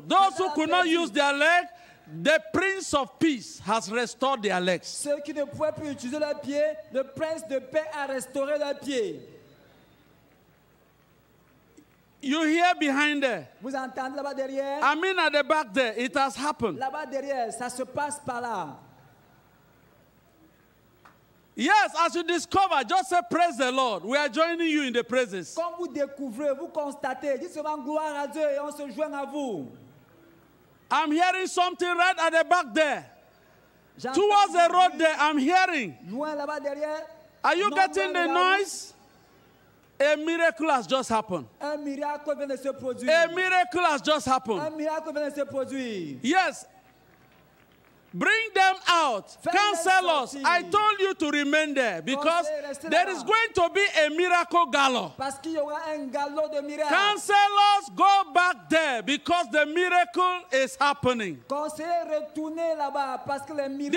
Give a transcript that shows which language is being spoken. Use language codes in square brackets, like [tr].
[en] Those who could not use their leg, the Prince of Peace has restored their legs. [fr] Ceux qui ne pouvaient plus utiliser leurs pieds, le Prince de Paix a restauré leurs pieds. [en] You hear behind there. [fr] Vous entendez là-bas derrière. [en] I mean at the back there. It has happened. [fr] Là-bas derrière, ça se passe par là. [en] Yes, as you discover, just say praise the Lord. We are joining you in the praises. [fr] Comme vous découvrez, vous constatez, dites seulement gloire à Dieu et on se joint à vous. [en] I'm hearing something right at the back there. Towards the road there, I'm hearing. [fr] Loin là-bas derrière. [en] Are you getting the noise? A miracle has just happened. [fr] Un miracle vient de se produire. [en] A miracle has just happened. [fr] Un miracle vient de se produire. [en] Yes. Bring them out. Cancel us. I told you to remain there because there is going to be a miracle gala. [fr] Parce qu'il y aura un gala de miracle. [en] Cancel us. Go back there because the miracle is happening. [fr] Conseiller, retournez là-bas parce que le miracle.